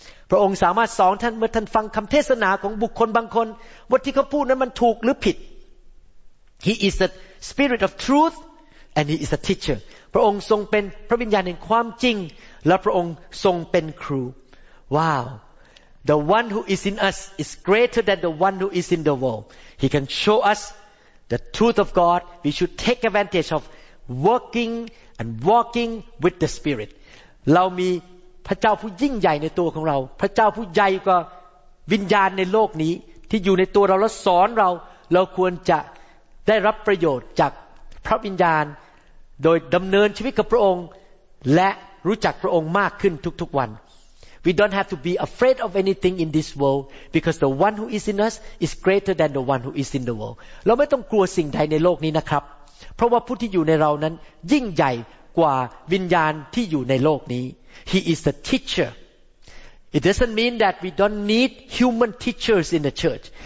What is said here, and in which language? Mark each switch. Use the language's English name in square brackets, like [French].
[Thai] พระองค์สามารถสอนท่านเมื่อท่านฟังคำเทศนาของบุคคลบางคนว่าที่เขาพูดนั้นมันถูกหรือผิด [English] He is the spirit of truth and he is a teacher [Thai] พระองค์ทรงเป็นพระวิญญาณแห่งความจริงและพระองค์ทรงเป็นครูว้าว [English] The one who is in us is greater than the one who is in the world. He can show us the truth of God. We should take advantage of working and walking with the Spirit. [Thai] เรามีพระเจ้าผู้ยิ่งใหญ่ในตัวของเราพระเจ้าผู้ใหญ่กว่าวิญญาณในโลกนี้ที่อยู่ในตัวเราและสอนเราเราควรจะได้รับประโยชน์จากพระวิญญาณ โดยดำเนินชีวิตกับพระองค์และรู้จักพระองค์มากขึ้นทุกๆวัน [English] We don't have to be afraid of anything in this world because the one who is in us is greater than the one who is in the world [Thai] เราไม่ต้องกลัวสิ่งใดในโลกนี้ [English] นะครับเพราะว่าผู้ที่อยู่ในเรานั้นยิ่งใหญ่กว่าวิญญาณที่อยู่ในโลกนี้ He is the teacherIt doesn't mean that we don't need human teachers in the church.